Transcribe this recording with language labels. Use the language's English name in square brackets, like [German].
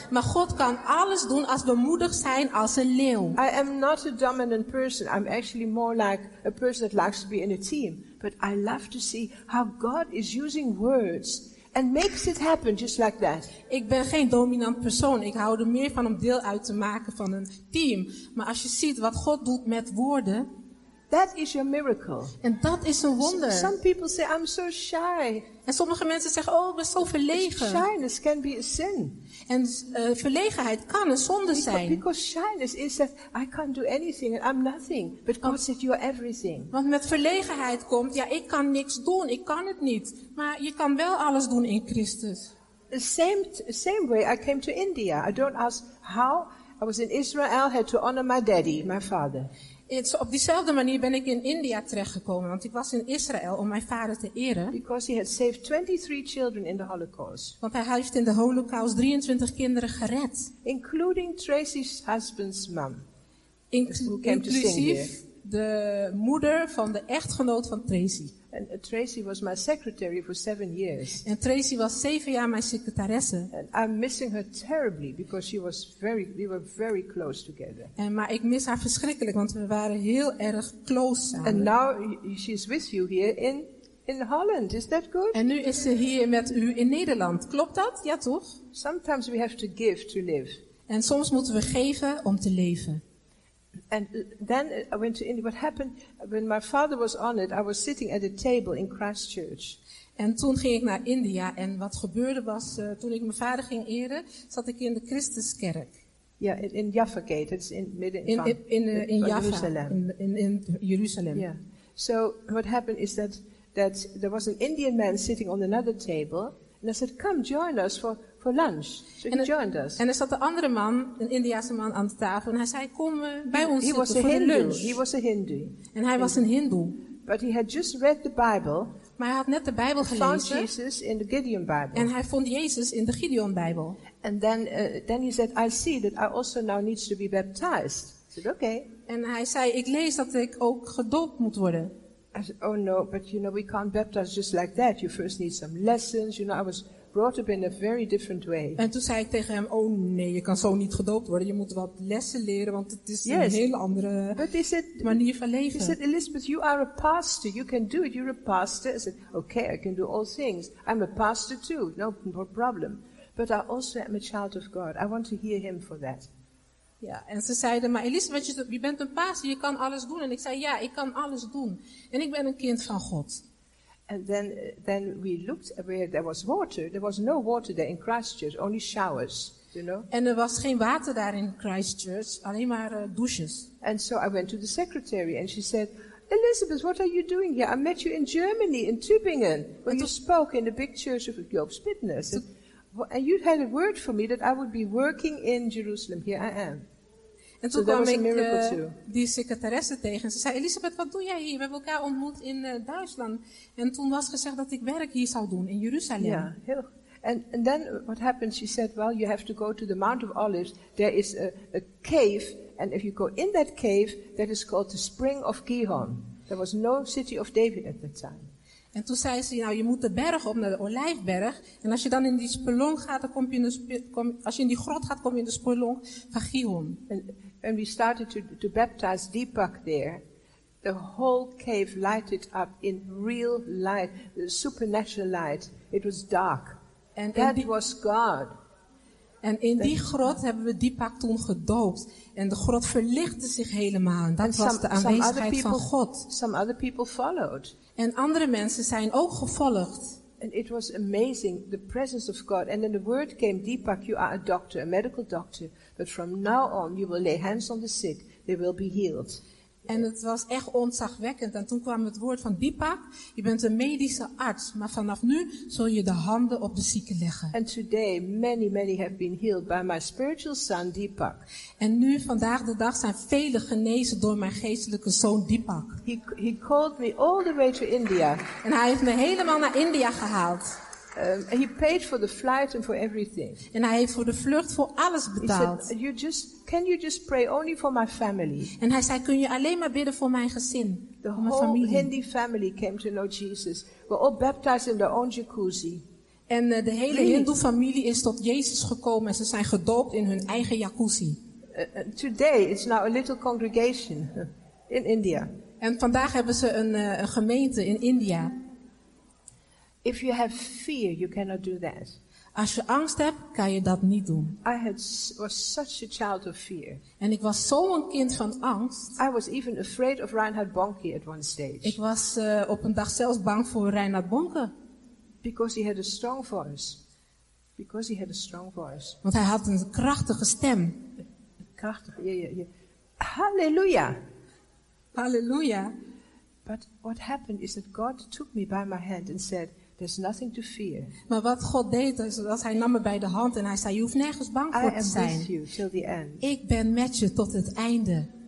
[Dutch] Maar God kan alles doen als we moedig zijn als een leeuw. [English] I am not a dominant person. I'm actually more like a person that likes to be in a team. But I love to see how God is using words. And makes it happen just like that. [Dutch] Ik ben geen dominant persoon. Ik hou er meer van om deel uit te maken van een team. Maar als je ziet wat God doet met woorden, [English] that is your miracle. [Dutch] En dat is een wonder. [English] Some people say I'm so shy. [Dutch] En sommige mensen zeggen, oh, ik ben zo verlegen. [English] Shyness can be a sin. [Dutch] En verlegenheid kan een zonde zijn. [English] Because shyness is that I can't do anything and I'm nothing. But God said you are everything. [Dutch] Want met verlegenheid komt, ja, ik kan niks doen, ik kan het niet. Maar je kan wel alles doen in Christus. [English] The same way I came to India. I don't ask how. I was in Israel, had to honor my daddy, my father. [Dutch] Op diezelfde manier ben ik in India terechtgekomen, want ik was in Israël om mijn vader te eren. [English] Because he had saved 23 children in the Holocaust. [Dutch] Want hij heeft in de Holocaust 23 kinderen gered. [English] Including Tracy's husband's mom. [Dutch] Inclusief de moeder van de echtgenoot van Tracy. [English] And Tracy was my secretary for 7 years. [Dutch] En Tracy was 7 jaar mijn secretaresse. [English] And I'm missing her terribly because we were very close together. [Dutch] En maar ik mis haar verschrikkelijk, want we waren heel erg close samen. [English] And now she's with you here in Holland. Is that good? [Dutch] En nu is ze hier met u in Nederland. Klopt dat? Ja toch? [English] Sometimes we have to give to live. [Dutch] En soms moeten we geven om te leven. [English] And then I went to India. What happened when my father was honored? I was sitting at a table in Christchurch. [Dutch] En toen ging ik naar India. En wat gebeurde was, toen ik mijn vader ging eren, zat ik in de Christuskerk. [English] Ja, yeah, in Jaffa Gate. It's in midden [Dutch] in Jeruzalem. In Jeruzalem. [English] Yeah. So what happened is that there was an Indian man sitting on another table, and I said, "Come join us for lunch." So he joined us. [Dutch] En er zat een andere man, een Indiase man, aan de tafel, en hij zei, "Kom bij ons zitten voor lunch." [English] He was a Hindu. [Dutch] En hij was een Hindoe. [English] But he had just read the Bible. [Dutch] Maar hij had net de Bijbel gelezen. [English] Found Jesus in the Gideon Bible. [Dutch] En hij vond Jezus in de Gideon Bijbel. [English] And then he said, "I see that I also now need to be baptized." I said, "Okay." [Dutch] En hij zei, "Ik lees dat ik ook gedoopt moet worden." [English] I said, "Oh no, but you know we can't baptize just like that. You first need some lessons. You know, I was brought up in a very different way." [Dutch] En toen zei ik tegen hem, "Oh nee, je kan zo niet gedoopt worden. Je moet wat lessen leren, want het is [English] yes. [Dutch] een hele andere manier van leven." [English] He said, "Elizabeth, you are a pastor. You can do it. You're a pastor." I said, "Okay, I can do all things. I'm a pastor too. No problem. But I also am a child of God. I want to hear him for that." [Dutch] Ja, en ze zeiden, "Maar Elizabeth, je bent een pastor, je kan alles doen." En ik zei, "Ja, ik kan alles doen. En ik ben een kind van God." [English] And then we looked at where there was water. There was no water there in Christchurch, only showers, you know. [Dutch] En er was geen water daar in Christchurch, alleen maar douches. [English] And so I went to the secretary and she said, "Elizabeth, what are you doing here? I met you in Germany, in Tübingen, where you spoke in the big church of Jobs Witness. And you had a word for me that I would be working in Jerusalem. Here I am." [Dutch] En toen kwam ik die secretaresse tegen. Ze zei, "Elizabeth, wat doe jij hier? We hebben elkaar ontmoet in Duitsland." En toen was gezegd dat ik werk hier zou doen, in Jeruzalem. Ja, heel goed. [English] And then what happened, she said, "Well, you have to go to the Mount of Olives. There is a cave. And if you go in that cave, that is called the Spring of Gihon. There was no city of David at that time." [Dutch] En toen zei ze, "Nou, je moet de berg op, naar de Olijfberg. En als je dan in die spelonk gaat, dan kom je in de als je in die grot gaat, kom je in de spelonk van Gihon." [English] And we started to baptize Deepak there. The whole cave lighted up in real light, supernatural light. It was dark. And that was God. [Dutch] En in die grot hebben we Deepak toen gedoopt. En de grot verlichtte zich helemaal. Dat was de aanwezigheid van God. [English] Some other people followed. [Dutch] En andere mensen zijn ook gevolgd. [English] And it was amazing, the presence of God. And then the word came, "Deepak, you are a doctor, a medical doctor. But from now on, you will lay hands on the sick. They will be healed." [Dutch] En het was echt ontzagwekkend. En toen kwam het woord van Deepak, "Je bent een medische arts. Maar vanaf nu zul je de handen op de zieken leggen." [English] And today, many, many have been healed by my spiritual son, Deepak. [Dutch] En nu, vandaag de dag, zijn velen genezen door mijn geestelijke zoon, Deepak. [English] He called me all the way to India. [Dutch] En hij heeft me helemaal naar India gehaald. [English] He paid for the flight and for everything. [Dutch] En hij heeft voor de vlucht voor alles betaald. [English] He said, "Can you just pray only for my family?" [Dutch] En hij zei, "Kun je alleen maar bidden voor mijn gezin, [English] the [Dutch] voor mijn familie?" [English] The whole Hindi family came to know Jesus. We're all baptized in their own jacuzzi. [Dutch] En de hele Hindoe-familie is tot Jezus gekomen en ze zijn gedoopt in hun eigen jacuzzi. [English] Today it's now a little congregation in India. [Dutch] En vandaag hebben ze een gemeente in India. [English] If you have fear, you cannot do that. [Dutch] Als je angst hebt, kan je dat niet doen. [English] I was such a child of fear. [Dutch] En ik was zo'n kind van angst. [English] I was even afraid of Reinhard Bonnke at one stage. [Dutch] Ik was op een dag zelfs bang voor Reinhard Bonnke. [English] Because he had a strong voice. Because he had a strong voice. [Dutch] Want hij had een krachtige stem. Krachtig. Yeah. Halleluja. Halleluja. [English] But what happened is that God took me by my hand and said, "There's nothing to fear." [Dutch] Maar wat God deed is dat hij nam me bij de hand en hij zei, "Je hoeft nergens bang voor te zijn. [English] I am with you till the end." [Dutch] Ik ben met je tot het einde.